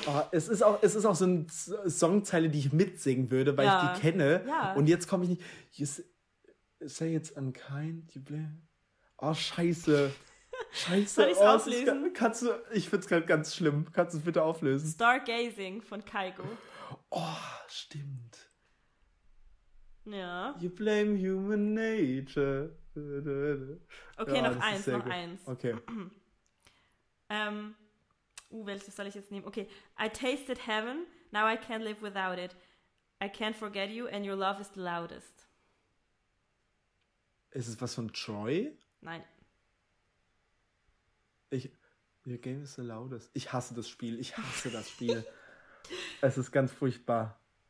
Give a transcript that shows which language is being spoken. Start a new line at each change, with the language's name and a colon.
German: es ist auch so eine Songzeile, die ich mitsingen würde, weil ja, ich die kenne. Ja. Und jetzt komme ich nicht.
English: Say it's unkind, you blame.
German: Oh, scheiße. Scheiße. Soll ich's auflösen? Ich finde es gerade ganz schlimm. Kannst du es bitte auflösen? Stargazing von Kygo. Oh, stimmt. Ja.
English: You blame human nature.
German: Okay, ja, noch eins. Okay. Welches soll ich jetzt nehmen? Okay.
English: I tasted heaven, now I can't live without it. I can't forget you and your love is the loudest.
German: Ist es was von Troy? Nein.
English: Your game is the loudest.
German: Ich hasse das Spiel. Ich hasse das Spiel. Es ist ganz furchtbar.